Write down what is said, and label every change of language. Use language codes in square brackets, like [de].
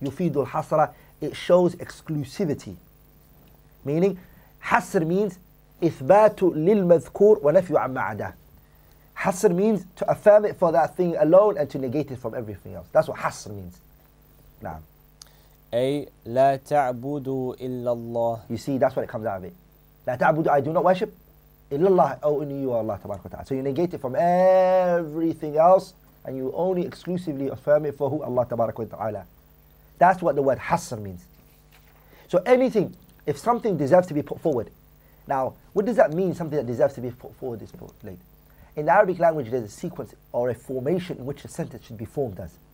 [ar] يُفِيدُ الْحَصْرَ. [en] It shows exclusivity. Meaning, [ar] حَصْر means إِثْبَاتُ لِلْمَذْكُورُ وَنَفْيُ عَمَّ عَدَاهُ. [en] حَصْر means to affirm it for that thing alone and to negate it from everything else. That's what حَصْر means. نعم. [ar] أي لا تعبد إلا الله. [en] You see, that's what it comes out of it. [ar] لا تعبد, [en] I do not worship [ar] إلا الله, أو إني هو الله تبارك وتعالى. [en] So you negate it from everything else and you only exclusively affirm it for who? Allah تبارك وتعالى. That's what the word حصر means. So anything, if something deserves to be put forward. Now, what does that mean, something that deserves to be put forward is put laid? In the Arabic language, there's a sequence or a formation in which a sentence should be formed as.